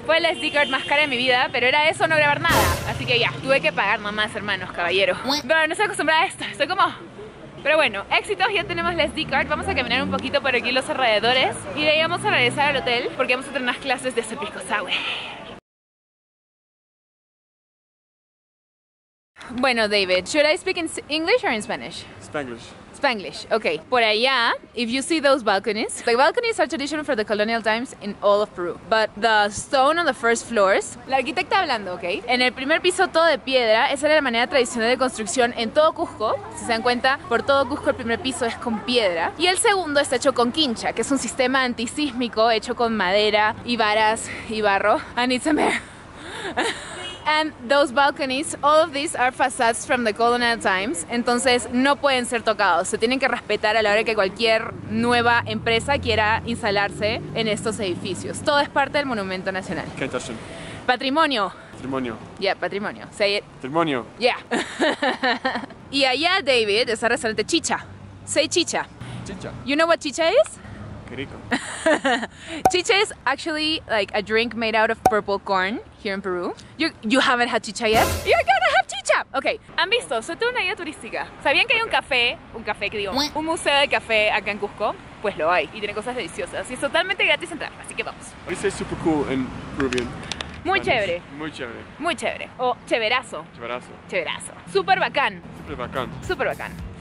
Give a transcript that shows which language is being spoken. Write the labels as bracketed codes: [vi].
[es] Fue la SD card más cara de mi vida, pero era eso, no grabar nada. Así que ya, tuve que pagar mamás, hermanos, caballero. Bueno, no estoy acostumbrada a esto, estoy como... Pero bueno, éxitos, ya tenemos la SD card. Vamos a caminar un poquito por aquí los alrededores y de ahí vamos a regresar al hotel porque vamos a tener unas clases de Pisco Sour. [en] Bueno, David, should I speak in English or in Spanish? Spanglish. Spanglish, okay. [es] Por allá, [en] if you see those balconies, the balconies are traditional for the colonial times in all of Peru. But the stone on the first floors, [es] la arquitecta hablando, [en] okay? [es] En el primer piso todo de piedra, esa era la manera tradicional de construcción en todo Cusco. Si se dan cuenta, por todo Cusco el primer piso es con piedra. Y el segundo está hecho con quincha, que es un sistema antisísmico hecho con madera y varas y barro. [en] And it's a mare. And those balconies, all of these are facades from the colonial times. [es] Entonces no pueden ser tocados, se tienen que respetar a la hora que cualquier nueva empresa quiera instalarse en estos edificios. Todo es parte del Monumento Nacional. ¿Qué tal son? Patrimonio. Patrimonio. [en] Yeah, patrimonio. Say it. [es] Patrimonio. Yeah. Y allá, David, está el restaurante Chicha. Say Chicha. Chicha. [en] You know what Chicha is? [es] Qué rico. [en] Chicha is actually like a drink made out of purple corn here in Peru. You haven't had chicha yet? You're gonna have chicha! [es] Okay, ¿han visto? Soy toda una guía turística. ¿Sabían que hay un museo de café acá en Cusco? Pues lo hay, y tiene cosas deliciosas. Y es totalmente gratis entrar, así que vamos. [en] What do you say super cool in Peruvian? [es] Muy chévere. Muy chévere. Muy chévere. O chéverazo. Chéverazo. Chéverazo. Super bacán. Super bacán. Super bacán.